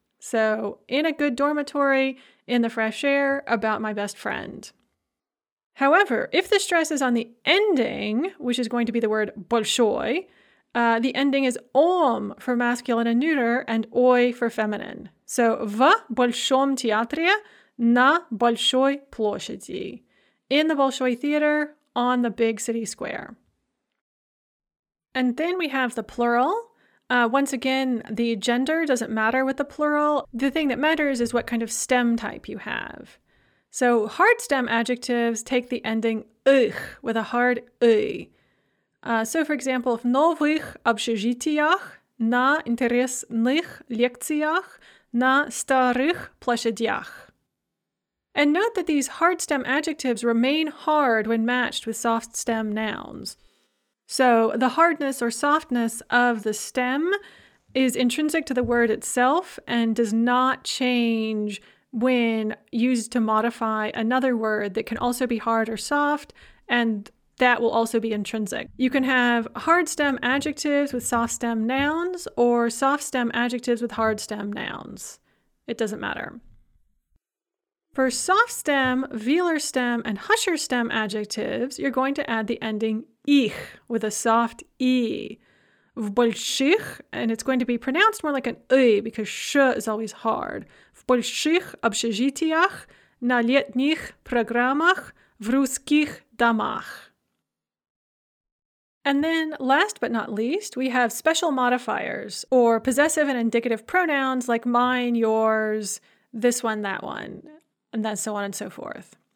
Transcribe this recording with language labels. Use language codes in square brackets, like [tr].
[en] So, in a good dormitory, in the fresh air, about my best friend. However, if the stress is on the ending, which is going to be the word большой, the ending is om for masculine and neuter, and oi for feminine. So, [ru] в большом театре на большой площади. [en] In the Bolshoi Theater, on the big city square. And then we have the plural. Once again, the gender doesn't matter with the plural. The thing that matters is what kind of stem type you have. So hard stem adjectives take the ending ых with a hard ы. So for example, [ru] в новых общежитиях, на интересных лекциях, на старых площадях. [en] And note that these hard stem adjectives remain hard when matched with soft stem nouns. So the hardness or softness of the stem is intrinsic to the word itself and does not change when used to modify another word that can also be hard or soft, and that will also be intrinsic. You can have hard stem adjectives with soft stem nouns or soft stem adjectives with hard stem nouns. It doesn't matter. For soft stem, velar stem, and husher stem adjectives, you're going to add the ending ich with a soft e. [ru] В больших, [en] and it's going to be pronounced more like an ы because sh is always hard. [ru] В больших общежитиях, на летних программах, в русских домах. [en] And then, last but not least, we have special modifiers or possessive and indicative pronouns like mine, yours, this one, that one, and then so on and so forth.